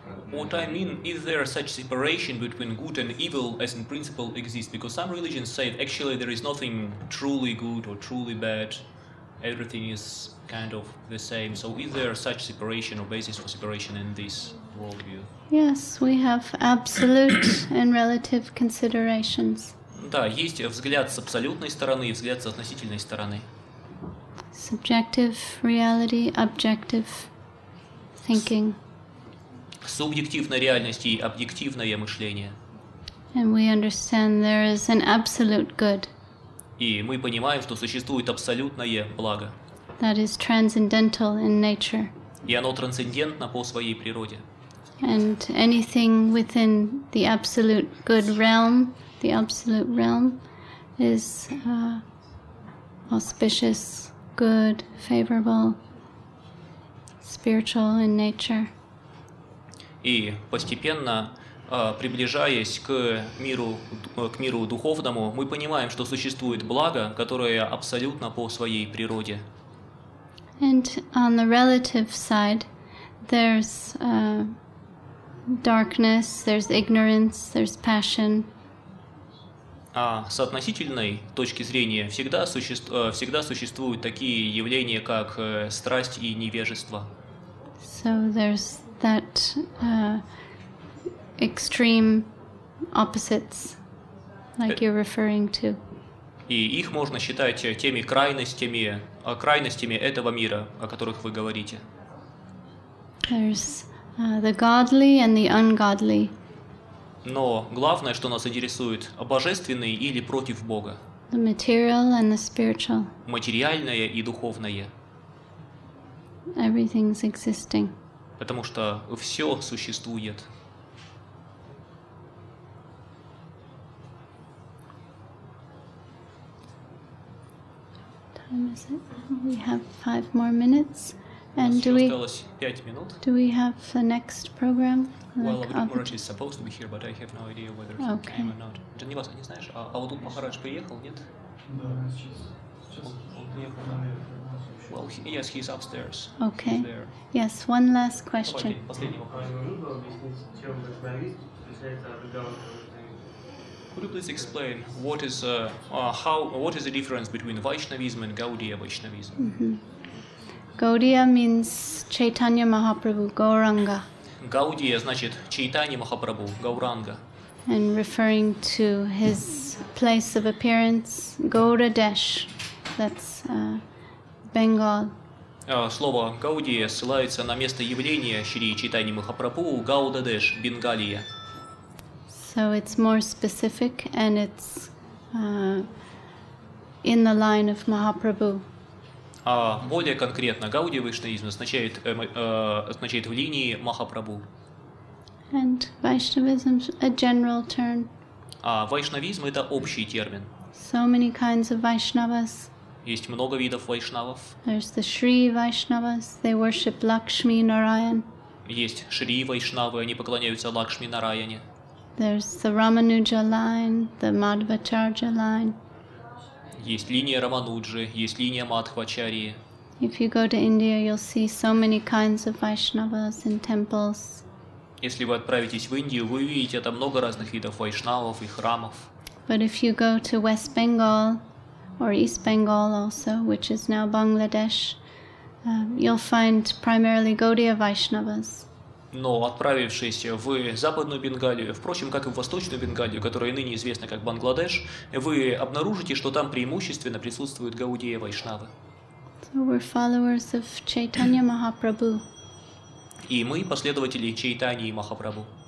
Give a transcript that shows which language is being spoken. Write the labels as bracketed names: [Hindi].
[English] What I mean, is there such separation between good and evil as in principle exists? Because some religions say actually there is nothing truly good or truly bad, everything is kind of the same. So is there such separation or basis for separation in this worldview? Yes, we have absolute and relative considerations. [Russian] Да, есть взгляд с абсолютной стороны и взгляд с относительной стороны. [English] Subjective reality, objective thinking. [Russian] Субъективная реальность и объективное мышление. [English] And we understand there is an absolute good. [Russian] И мы понимаем, что существует абсолютное благо. [English] That is transcendental in nature. [Russian] И оно трансцендентно по своей природе. [English] And anything within the absolute good realm, the absolute realm, is auspicious. Good, favorable, spiritual in nature. [Russian] И постепенно, приближаясь к миру духовному, мы понимаем, что существует благо, которое абсолютно по своей природе. [English] And on the relative side, there's darkness, there's ignorance, there's passion. [Russian] А с относительной точки зрения всегда существуют такие явления, как страсть и невежество. [English] So there's that extreme opposites, like you're referring to. [Russian] И их можно считать теми крайностями этого мира, о которых вы говорите. [English] There's the godly and the ungodly. [Russian] Но главное, что нас интересует, божественный или против Бога. [English] The material and the spiritual. [Russian] Материальное и духовное. [English] Everything's existing. [Russian] Потому что все существует. [English] What time is it? We have 5 more minutes. And [Russian] у нас еще осталось 5 минут. [English] Do we have the next program? Well, the Maharaj is supposed to be here, but I have no idea whether he came or not. [Russian] Джанивас, не знаешь, а вот тут Махарадж приехал, нет? Да, сейчас. [English] Well, yes, he's upstairs. Okay. Yes, one last question. Could you please explain what is what is the difference between Vaishnavism and Gaudiya Vaishnavism? Gaudiya means Chaitanya Mahaprabhu, Gauranga. [Russian] Гаудия значит Чайтанья Махапрабху, Гауранга. [English] And referring to his place of appearance, Gaudadesh, that's Bengal. [Russian] Слово Гаудия ссылается на место явления Шри Чайтанья Махапрабху, Гаудадеш, Бенгалия. [English] So it's more specific and it's in the line of Mahaprabhu. [Russian] А более конкретно, Гаудия Вайшнавизм означает, означает в линии Махапрабху. [English] And Vaishnavism is a general term. [Russian] А вайшнавизм — это общий термин. [English] So many kinds of Vaishnavas. [Russian] Есть много видов вайшнавов. [English] There's the Shri Vaishnavas, they worship Lakshmi Narayan. [Russian] Есть Шри Вайшнавы, они поклоняются Лакшми Нараяне. [English] There's the Рамануджа line, the Мадхвачарджа line. [Russian] Есть линия Рамануджи, есть линия Мадхвачарии. [English] If you go to India, you'll see so many kinds of Vaishnavas in temples. [Russian] Если вы отправитесь в Индию, вы увидите там много разных видов вайшнавов и храмов. [English] But if you go to West Bengal or East Bengal also, which is now Bangladesh, you'll find primarily Gaudiya Vaishnavas. [Russian] Но отправившись в Западную Бенгалию, впрочем, как и в Восточную Бенгалию, которая ныне известна как Бангладеш, вы обнаружите, что там преимущественно присутствуют Гаудия Вайшнавы. [English] So we're followers of Chaitanya Mahaprabhu. [Russian] И мы последователи Чайтании Махапрабху.